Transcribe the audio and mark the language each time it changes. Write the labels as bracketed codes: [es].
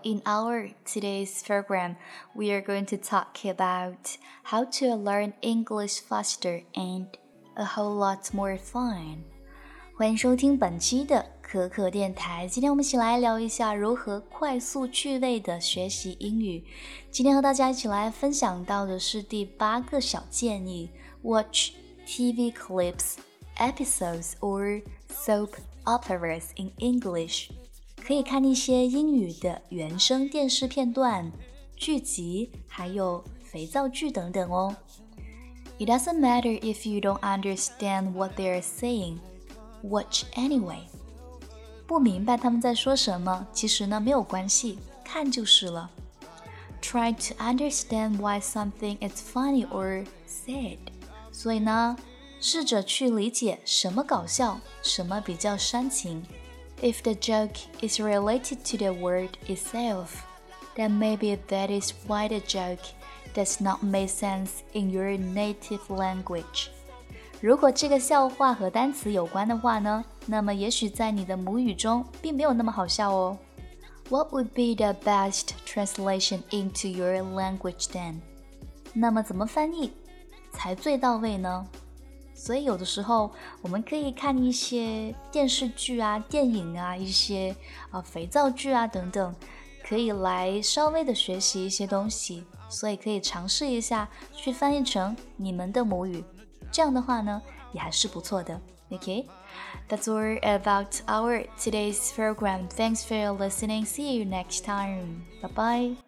[en] In our today's program, we are going to talk about how to learn English faster and a whole lot more fun. [zh] 欢迎收听本期的可可电台。今天我们一起来聊一下如何快速趣味的学习英语。今天和大家一起来分享到的是第八个小建议 , [en] Watch TV clips, episodes, or soap operas in English. [zh] 可以看一些英语的原声电视片段、剧集、还有肥皂剧等等哦。 [en] It doesn't matter if you don't understand what they are saying. Watch anyway. [zh] 不明白他们在说什么，其实呢，没有关系，看就是了。 [en] Try to understand why something is funny or sad. [zh] 所以呢，试着去理解什么搞笑，什么比较煽情。 [en] If the joke is related to the word itself, then maybe that is why the joke does not make sense in your native language. [zh] 如果这个笑话和单词有关的话呢，那么也许在你的母语中并没有那么好笑哦。 [en] What would be the best translation into your language then? [zh] 那么怎么翻译才最到位呢？所以有的时候我们可以看一些电视剧啊、电影啊、一些肥皂剧啊等等，可以来稍微的学习一些东西，所以可以尝试一下去翻译成你们的母语，这样的话呢也还是不错的。 [en] OK, That's all about our today's program. Thanks for listening. See you next time. Bye bye.